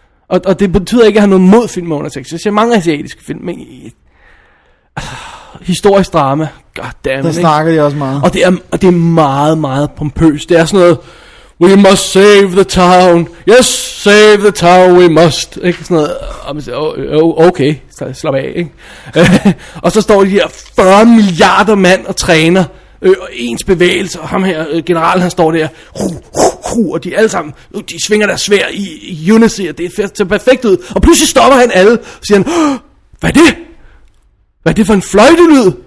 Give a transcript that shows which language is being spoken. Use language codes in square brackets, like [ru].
[da] Og det betyder ikke, at jeg har noget mod film med undertekster. Jeg ser mange asiatiske film, men historisk drama. [en] God damn, [da] der snakker de også meget. Og det er meget, meget pompøst. Det er sådan noget, [en] we must save the town. Yes, save the town, we must. [da] Ikke sådan noget. Og man siger, okay, slap af, ikke? Og så står de her 40 milliarder mand og træner. Og ens bevægelse, og ham her, generalen, han står der. Og de alle sammen, de svinger deres svær i unison, og det er til perfekt ud. Og pludselig stopper han alle, og siger han, hvad er det? Hvad er det for en fløjtelyd?